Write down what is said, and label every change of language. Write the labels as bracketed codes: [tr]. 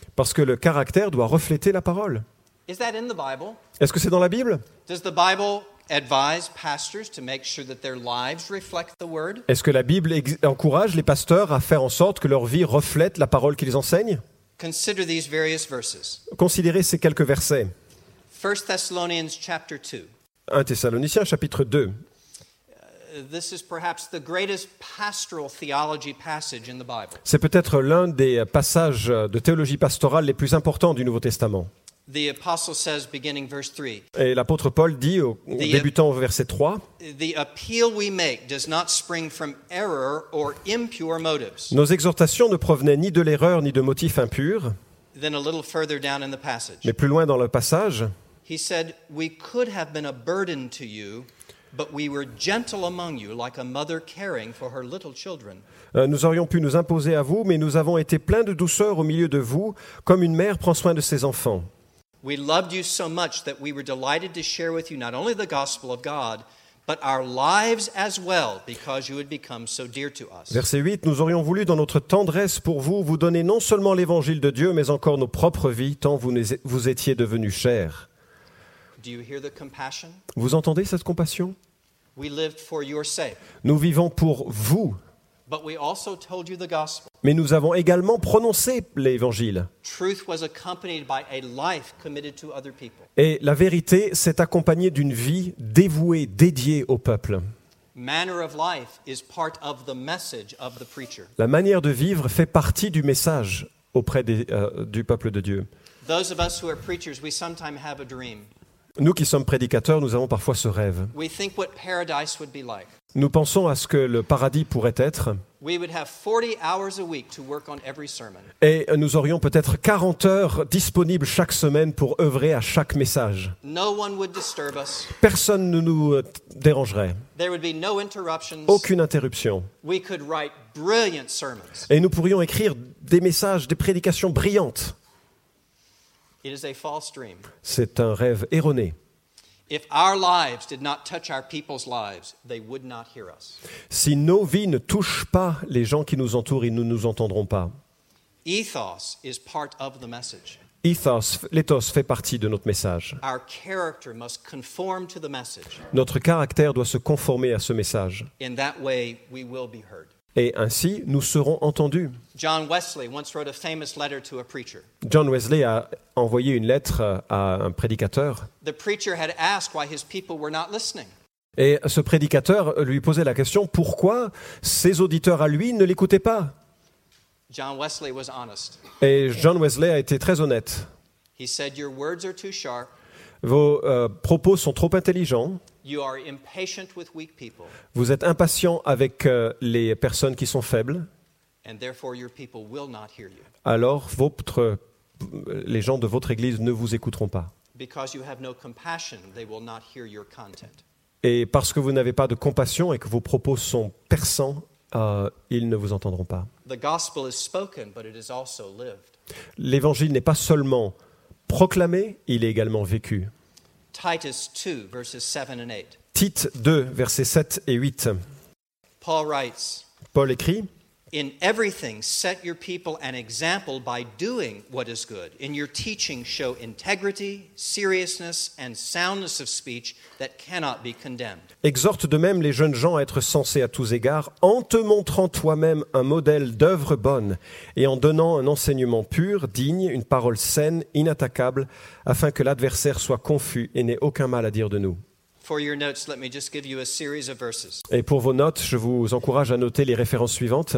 [fr] Parce que le caractère doit refléter la parole. [en] Is that in the Bible? [fr] Est-ce que c'est dans la Bible? [en] Does the Bible advise pastors to make sure that their lives reflect the word? [fr] Est-ce que la Bible encourage les pasteurs à faire en sorte que leur vie reflète la parole qu'ils enseignent? [en] Consider these various verses. [fr] Considérez ces quelques versets. [en] 1 Thessalonians chapter 2. [fr] 1 Thessaloniciens chapitre 2. [en] This is perhaps the greatest pastoral theology passage in the Bible. [fr] C'est peut-être l'un des passages de théologie pastorale les plus importants du Nouveau Testament. [en] The apostle says, beginning verse 3. [fr] Et l'apôtre Paul dit, débutant au verset 3, [en] the appeal we make does not spring from error or impure motives. [fr] Nos exhortations ne provenaient ni de l'erreur ni de motifs impurs. [en] Then a little further down in the passage. [fr] Mais plus loin dans le passage, [en] he said, we could have been a burden to you, but we were gentle among you, like a mother caring for her little children. [fr] Nous aurions pu nous imposer à vous, mais nous avons été pleins de douceur au milieu de vous, comme une mère prend soin de ses enfants. [en] We loved you so much that we were delighted to share with you not only the gospel of God, but our lives as well, because you had become so dear to us. [fr] Verset 8, nous aurions voulu dans notre tendresse pour vous, vous donner non seulement l'évangile de Dieu, mais encore nos propres vies, tant vous étiez devenus chers. [en] Do you hear the compassion? [fr] Vous entendez cette compassion? [en] We lived for your sake. [fr] Nous vivons pour vous. [en] But we also told you the gospel. [fr] Mais nous avons également prononcé l'évangile. [en] Truth was accompanied by a life committed to other people. [fr] Et la vérité s'est accompagnée d'une vie dévouée, dédiée au peuple. [en] manner of life is part of the message of the preacher. [fr] La manière de vivre fait partie du message auprès des, du peuple de Dieu. [en] Those of us who are preachers, we sometimes have a dream. [fr] Nous qui sommes prédicateurs, nous avons parfois ce rêve. [en] We think what paradise would be like. [fr] Nous pensons à ce que le paradis pourrait être. [en] We would have 40 hours a week to work on every sermon. [fr] Et nous aurions peut-être 40 heures disponibles chaque semaine pour œuvrer à chaque message. [en] No one would disturb us. [fr] Personne ne nous dérangerait. [en] There would be no interruptions. [fr] Aucune interruption. [en] We could write brilliant sermons. [fr] Et nous pourrions écrire des messages, des prédications brillantes. [en] It is a false dream. [fr] C'est un rêve erroné. [en] If our lives did not touch our people's lives, they would not hear us. [fr] Si nos vies ne touchent pas les gens qui nous entourent, ils ne nous entendront pas. [en] Ethos is part of the message. [fr] L'éthos fait partie de notre message. [en] Our character must conform to the message. [fr] Notre caractère doit se conformer à ce message. [en] In that way, we will be heard. [fr] Et ainsi, nous serons entendus. [en] John Wesley once wrote a famous letter to a preacher. [fr] John Wesley a envoyé une lettre à un prédicateur. [en] The preacher had asked why his people were not listening. [fr] Et ce prédicateur lui posait la question, pourquoi ses auditeurs à lui ne l'écoutaient pas? [en] John Wesley was honest. [fr] Et John Wesley a été très honnête. [en] He said, your words are too sharp. [fr] Vos propos sont trop intelligents. [en] You are impatient with weak people. [fr] Vous êtes impatient avec les personnes qui sont faibles. [en] And therefore your people will not hear you. [fr] Alors votre, les gens de votre église ne vous écouteront pas. [en] Because you have no compassion, they will not hear your content. [fr] Et parce que vous n'avez pas de compassion et que vos propos sont perçants, ils ne vous entendront pas. [en] The gospel is spoken, but it is also lived. [fr] L'évangile n'est pas seulement proclamé, il est également vécu. [en] Titus 2, verses 7 and 8. [fr] Tite 2, versets 7 et 8. [en] Paul writes, [fr] Paul écrit, [en] in everything set your people an example by doing what is good. In your teaching show integrity, seriousness and soundness of speech that cannot be condemned. [fr] Exhorte de même les jeunes gens à être sensés à tous égards en te montrant toi-même un modèle d'œuvre bonne et en donnant un enseignement pur, digne, une parole saine, inattaquable, afin que l'adversaire soit confus et n'ait aucun mal à dire de nous. [en] For your notes, let me just give you a series of verses. [fr] Et pour vos notes, je vous encourage à noter les références suivantes.